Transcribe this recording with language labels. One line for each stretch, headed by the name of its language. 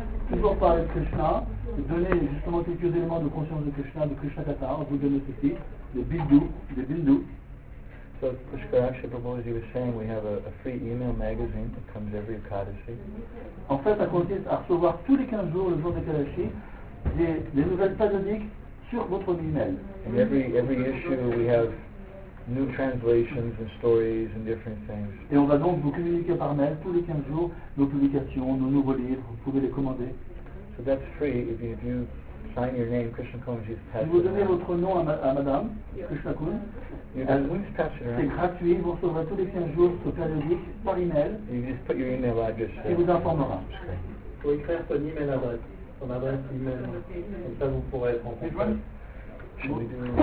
French: Toujours parler de Krishna, donner justement quelques éléments de conscience de Krishna, de Krishna Katha, on vous donne ceci, de Bindu.
English: So Pushkar Akshay Prabhu, as you were saying, we have a free email magazine that comes every Ekadashi.
French: En fait, ça consiste à recevoir tous les 15 jours, le jour de Ekadashi, des nouvelles panoniques sur votre email.
English: And every issue we have new translations and stories and different things.
French: Et on va donc vous communiquer par mail tous les 15 jours nos publications, nos nouveaux livres, vous pouvez les commander.
English: So that's free if you sign your name, Krishna Kun, she's passed around.
French: Si vous donnez votre nom à madame, Krishna Kun, c'est gratuit, vous recevrez tous les 15 jours ce périodique par email.
English: You just put your email address there.
French: Il vous informera. Vous pouvez écrire son
English: email address,
French: son adresse email, comme ça vous pourrez être en contact.